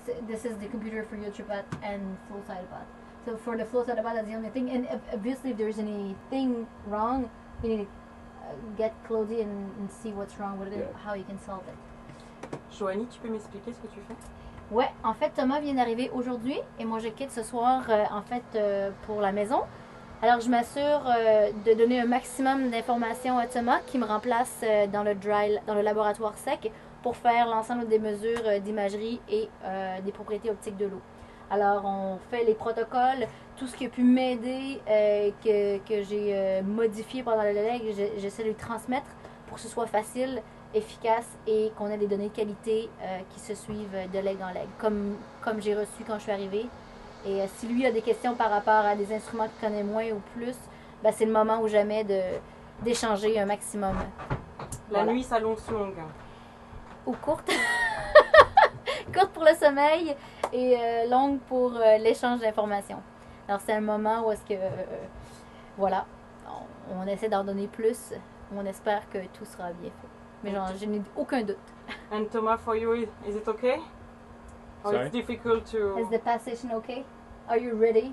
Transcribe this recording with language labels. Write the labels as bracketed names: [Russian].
[English] this is the computer for your tripod and full side pod. So for the full side pod, that's the only thing. And obviously, if there's anything wrong, you need to get Claudie and see what's wrong with it, how you can solve it. [French] Joannie, tu peux m'expliquer ce que tu fais? Ouais, en fait, Thomas vient d'arriver aujourd'hui et moi je quitte ce soir pour la maison. Alors je m'assure de donner un maximum d'informations à Thomas qui me remplace dans le laboratoire sec pour faire l'ensemble des mesures d'imagerie et des propriétés optiques de l'eau. Alors on fait les protocoles, tout ce qui a pu m'aider, que j'ai modifié pendant le leg, j'essaie de lui transmettre pour que ce soit facile, efficace et qu'on ait des données de qualité qui se suivent de leg en leg, comme j'ai reçu quand je suis arrivée. Et si lui a des questions par rapport à des instruments qu'il connaît moins ou plus, ben c'est le moment ou jamais d'échanger un maximum. La nuit s'allonge longue. Ou courte. Courte pour le sommeil et longue pour l'échange d'informations. Alors c'est un moment où est-ce que, on essaie d'en donner plus. On espère que tout sera bien fait. Mais genre, je n'ai aucun doute. [English] And Thomas, for you, is it okay? Oh, sorry? It's difficult to... Is the passation okay? Are you ready?